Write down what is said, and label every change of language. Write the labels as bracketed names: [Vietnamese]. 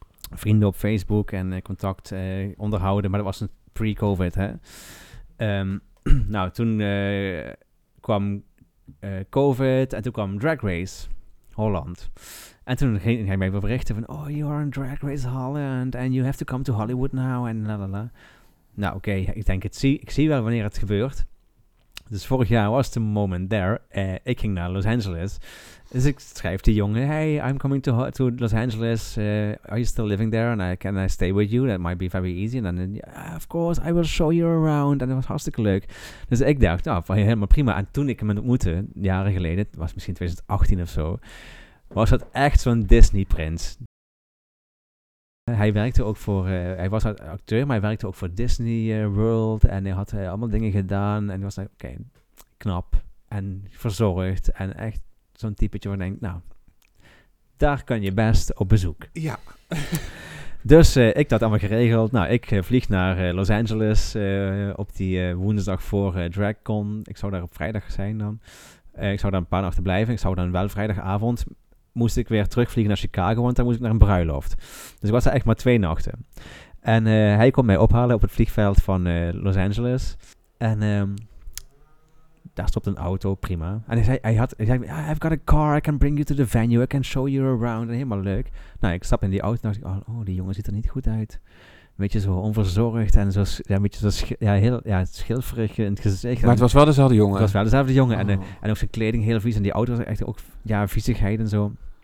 [Dutch] Vrienden op Facebook en contact onderhouden. Maar dat was een pre-COVID, hè? Nou, toen kwam COVID en toen kwam Drag Race Holland. En toen ging hij mij berichten van... [English] Oh, you are in Drag Race Holland and you have to come to Hollywood now and la la la. [Dutch] Nou, oké. Okay, ik denk, ik zie wel wanneer het gebeurt. Dus vorig jaar was de moment there. Ik ging naar Los Angeles... Dus ik schrijf die jongen, [English] hey, I'm coming to Los Angeles. Are you still living there? Can I stay with you? That might be very easy. And then, yeah, of course, I will show you around. [Dutch] En dat was hartstikke leuk. Dus ik dacht, nou, oh, helemaal prima. En toen ik hem ontmoette, jaren geleden, was misschien 2018 of zo, was dat echt zo'n Disney-prins. Hij werkte ook voor, hij was acteur, maar hij werkte ook voor Disney World. En hij had allemaal dingen gedaan. En hij was, oké, okay, knap en verzorgd en echt. Zo'n typetje waar je denkt, nou, daar kan je best op bezoek. Ja. Dus ik had allemaal geregeld. Nou, ik vlieg naar Los Angeles op die woensdag voor DragCon. Ik zou daar op vrijdag zijn dan. Ik zou daar een paar nachten blijven. Ik zou dan wel vrijdagavond, moest ik weer terugvliegen naar Chicago, want dan moest ik naar een bruiloft. Dus ik was daar echt maar twee nachten. En hij kon mij ophalen op het vliegveld van Los Angeles. En... daar stopt een auto, prima. En hij zei, [English] I've got a car, I can bring you to the venue, I can show you around. [Dutch] En helemaal leuk. Nou, ik stap in die auto en dacht ik, oh, die jongen ziet er niet goed uit. Een beetje zo onverzorgd en zo, ja, een beetje zo schilferig in het gezicht. Maar het was wel dezelfde jongen. Oh. En ook zijn kleding heel vies en die auto was echt ook, ja, viezigheid en zo.